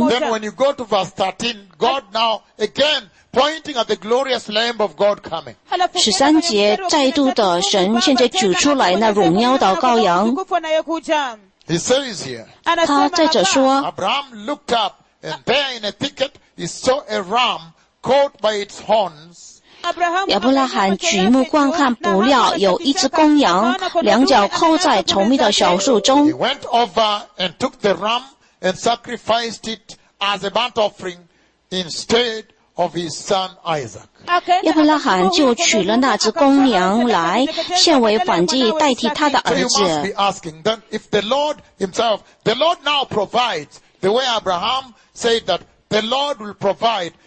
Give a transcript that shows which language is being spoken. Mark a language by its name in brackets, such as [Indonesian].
[English] Then when you go to verse 13, God now again pointing at the glorious Lamb of God coming. [Chinese] 13节, 再度的神现在举出来那荣耀的羔羊。 [English] He says here, [Chinese] 他在这说, [English] Abraham looked up, and there in a thicket he saw a ram caught by its horns. [Chinese] 亚伯拉罕举目观看，不料有一只公羊，两脚扣在稠密的小树中。 [English] He went over and took the ram and sacrificed it as a burnt offering instead of his son Isaac. [Chinese] 亚伯拉罕就取了那只公羊来献为燔祭，代替他的儿子。 [English] So you must be asking then if the Lord himself, the Lord now provides the way Abraham said that the Lord will provide.